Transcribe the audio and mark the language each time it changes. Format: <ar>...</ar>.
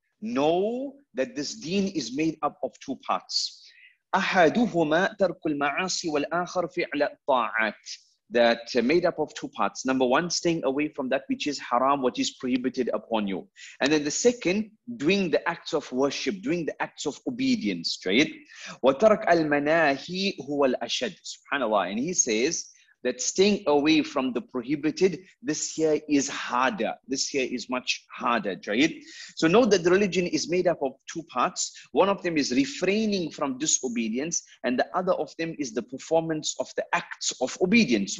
<en>Know that this deen is made up of two parts.</en> <ar>Ahaduhuma tarkul ma'asi wal-akhar fi'la ta'at.</ar> <en>That made up of two parts. Number one, staying away from that which is haram, what is prohibited upon you. And then the second, doing the acts of worship, doing the acts of obedience, right?</en> <ar>وَتَرَكْ أَلْمَنَاهِ هُوَ الْأَشَدُ SubhanAllah.</ar> <en>And he says that staying away from the prohibited, this here is harder. This here is much harder, right? So know that the religion is made up of two parts. One of them is refraining from disobedience, and the other of them is the performance of the acts of obedience.</en>